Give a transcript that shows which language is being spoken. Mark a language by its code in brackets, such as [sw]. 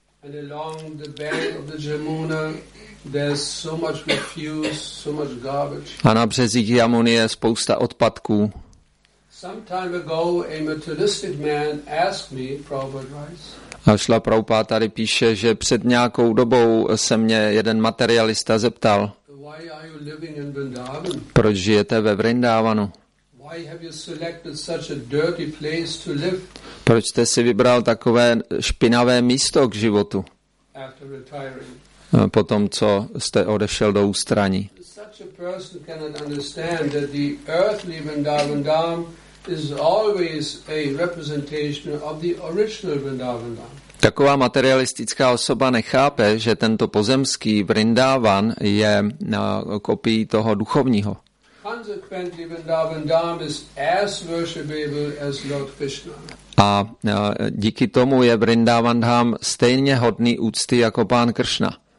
[en] And along the bank of the Jamuna, there's so much refuse, so much garbage. [cs] A na březích Jamuny je spousta odpadků. [en] Some time ago, a materialistic man asked me, Prabhupada writes. [cs] A Šla Prabhupada tady píše, že před nějakou dobou se mě jeden materialista zeptal. [en] Why are you living in Vrindavan? [cs] Proč žijete ve Vrindavanu? [en] Why have you selected such a dirty place to live? [cs] Proč jste si vybral takové špinavé místo k životu? [en] After retiring. [cs] Po tom, co jste odešel do ústraní. [en] Such a person cannot understand that the earthly Vrindavan Dham is always a representation of the original Vrindavan Dham. [cs] Taková materialistická osoba nechápe, že tento pozemský Vrindavan je kopií toho duchovního. [en] Consequently, Vrindavan Dham is as worshipable as Lord Krishna. [cs] A díky tomu je Vrindavan Dham stejně hodný úcty jako pán Kršna.